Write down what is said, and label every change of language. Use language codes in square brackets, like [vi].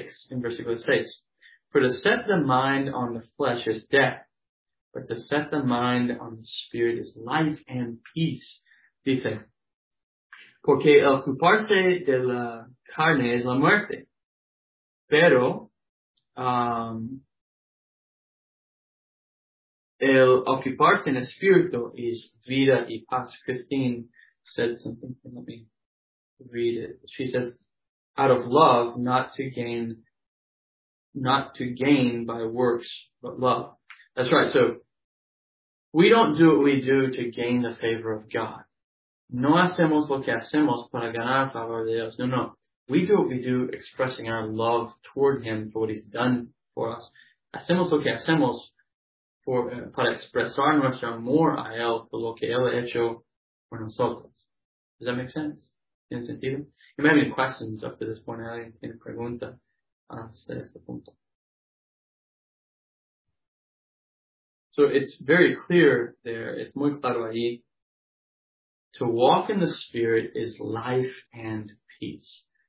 [en] In versículo 6, for to set the mind on the flesh is death, but to set the mind on the Spirit is life and peace. [es] Dice, porque el ocuparse de la carne es la muerte, pero el ocuparse en Espíritu es vida y paz. [en] Christine said something. Let me read it. She says, out of love, not to gain by works, but love. That's right. So we don't do what we do to gain the favor of God. [es] No hacemos lo que hacemos para ganar el favor de Dios. No, no. [en] We do what we do expressing our love toward Him for what He's done for us. [es] Hacemos lo que hacemos para expresar nuestro amor a Él por lo que Él ha hecho por nosotros. [en] Does that make sense? [es] ¿Tiene sentido? [en] You may have any questions up to this point. [es] ¿Alguien tiene pregunta hasta este punto? [en] So it's very clear there. It's [es] muy claro ahí. [en] To walk in the Spirit is life and peace.